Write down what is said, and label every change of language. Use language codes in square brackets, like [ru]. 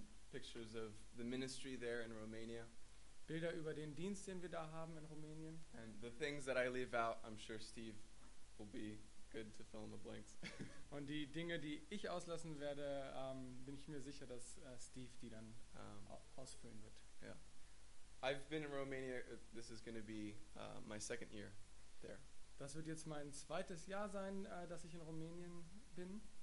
[en] Pictures of the ministry there in Romania. [de] Bilder über den Dienst, den wir da haben in Rumänien. [en] And the things that I leave out, I'm sure Steve will be good to fill in the blanks. [de] Und die Dinge, die ich auslassen werde, bin ich mir sicher, dass Steve die dann ausfüllen wird. [en] Yeah. I've been in Romania, this is going to be my second year there. [de] Das wird jetzt mein zweites Jahr sein, dass ich in Rumänien bin.